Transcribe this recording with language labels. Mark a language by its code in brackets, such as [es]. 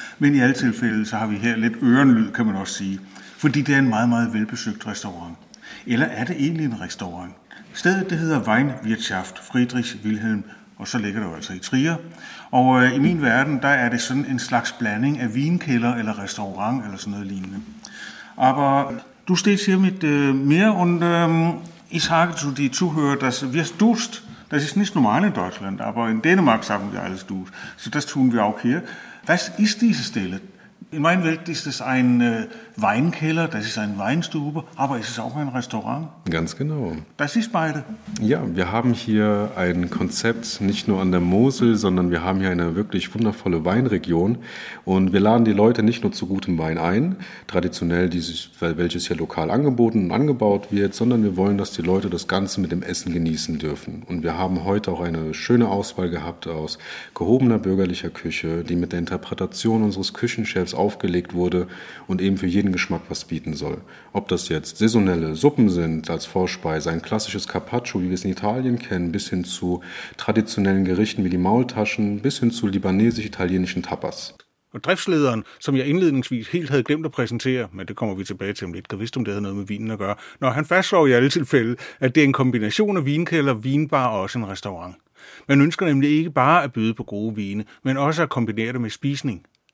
[da] Men i alle tilfælde, så har vi her lidt ørenlyd, kan man også sige, fordi det er en meget, meget velbesøgt restaurant. Eller er det egentlig en restaurant? Stedet det hedder Weinwirtschaft Friedrich Wilhelm, og så ligger det jo altså i Trier. Og i min verden, der er det sådan en slags blanding af vinkælder eller restaurant eller sådan noget lignende. [de] Aber du stehst hier mit mir und ich sage zu dir Zuhörer, dass wir duscht. Das ist nicht normal in Deutschland, aber in Dänemark sagen wir alles duscht. So das tun wir auch hier. Was ist diese Stelle? In meiner Welt ist es ein Weinkeller, das ist ein Weinstube, aber ist es auch ein Restaurant? Ganz genau. Das ist beide. Ja, wir haben hier ein Konzept, nicht nur an der Mosel, sondern wir haben hier eine wirklich wundervolle Weinregion. Und wir laden die Leute nicht nur zu gutem Wein ein, traditionell, welches hier lokal angeboten und angebaut wird, sondern wir wollen, dass die Leute das Ganze mit dem Essen genießen dürfen. Und wir haben heute auch eine schöne Auswahl gehabt aus gehobener bürgerlicher Küche, die mit der Interpretation unseres Küchenchefs aufgelegt wurde und eben für jeden Geschmack was bieten soll. Ob das jetzt saisonelle Suppen sind als Vorspeise, ein klassisches Carpaccio, wie wir es in Italien kennen, bis hin zu traditionellen Gerichten wie die Maultaschen, bis hin zu libanesisch-italienischen Tapas. [da] Und Driftslederen, som jeg indledningsvis helt havde glemt at præsentere, men det kommer vi tilbage til om lidt, kan vidste om det havde noget med vinen at gøre, når han fastslår i alle tilfælde, at det er en kombination af vinkælder, vinbar og også en restaurant. Man ønsker nemlig ikke bare at byde på gode vine, men også at kombinere det med spisning.